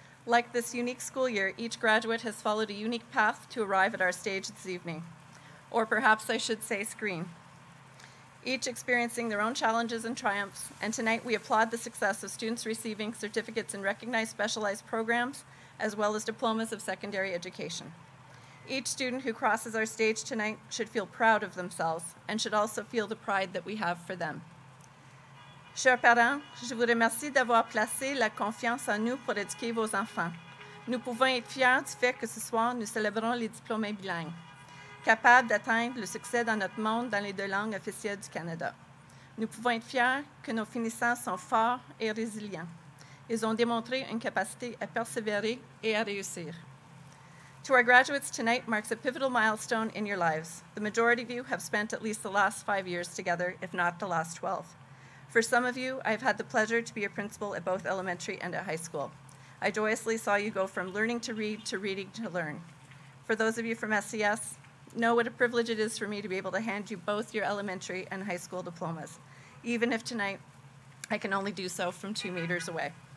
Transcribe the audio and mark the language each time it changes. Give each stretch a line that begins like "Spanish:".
English: Like this unique school year, each graduate has followed a unique path to arrive at our stage this evening, or perhaps I should say screen, each experiencing their own challenges and triumphs. And tonight we applaud the success of students receiving certificates in recognized specialized programs, as well as diplomas of secondary education. Each student who crosses our stage tonight should feel proud of themselves and should also feel the pride that we have for them.
French: Chers parents, je vous remercie d'avoir placé la confiance en nous pour éduquer vos enfants. Nous pouvons être fiers du fait que ce soir, nous célébrons les diplômés bilingues, capables d'atteindre le succès dans notre monde dans les deux langues officielles du Canada. Nous pouvons être fiers que nos finissants sont forts et résilients. Ils ont démontré une capacité à persévérer et à réussir.
English: To our graduates, tonight marks a pivotal milestone in your lives. The majority of you have spent at least the last 5 years together, if not the last 12. For some of you, I've had the pleasure to be your principal at both elementary and at high school. I joyously saw you go from learning to read to reading to learn. For those of you from SES, know what a privilege it is for me to be able to hand you both your elementary and high school diplomas, even if tonight I can only do so from 2 meters away.